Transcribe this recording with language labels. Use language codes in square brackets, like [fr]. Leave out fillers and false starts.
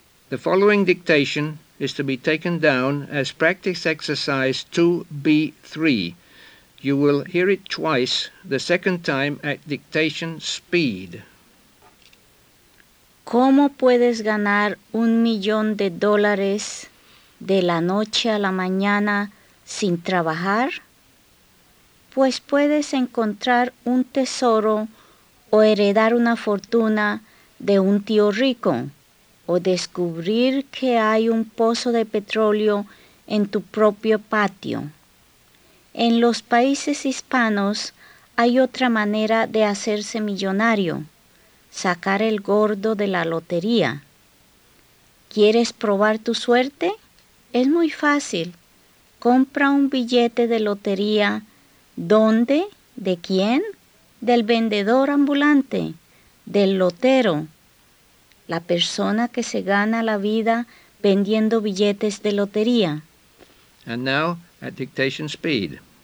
[en] The following dictation is to be taken down as practice exercise 2B3. You will hear it twice, the second time at dictation speed. [es] ¿Cómo puedes ganar $1,000,000 de la noche a la mañana sin trabajar? Pues puedes encontrar un tesoro o heredar una fortuna de un tío rico, o descubrir que hay un pozo de petróleo en tu propio patio. En los países hispanos hay otra manera de hacerse millonario: sacar el gordo de la lotería. ¿Quieres probar tu suerte? Es muy fácil. Compra un billete de lotería. ¿Dónde? ¿De quién? Del vendedor ambulante, del lotero, la persona que se gana la vida vendiendo billetes de lotería. [en] And now, at dictation speed.